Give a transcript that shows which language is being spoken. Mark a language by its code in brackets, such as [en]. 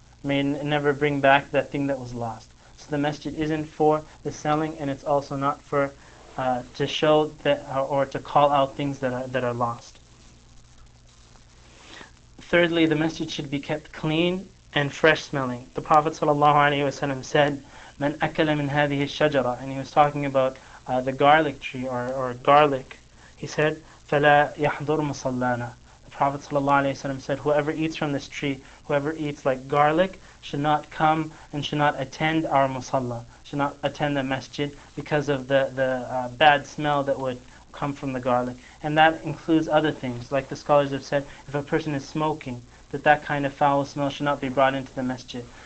[en] May never bring back that thing that was lost. So the masjid isn't for the selling, and it's also not for to show that or to call out things that are lost. Thirdly, the masjid should be kept clean and fresh smelling. The Prophet ﷺ said, [ar] مَنْ أَكَلَ مِنْ هَذِهِ الشَّجَرَةِ. [en] And he was talking about the garlic tree or garlic. He said, [ar] فَلَا يَحْضُرْ مُصَلَّانَا. [en] The Prophet ﷺ said, whoever eats from this tree, whoever eats like garlic, should not come and should not attend our musalla, should not attend the masjid because of the bad smell that would come from the garlic. And that includes other things. Like the scholars have said, if a person is smoking, that kind of foul smell should not be brought into the masjid.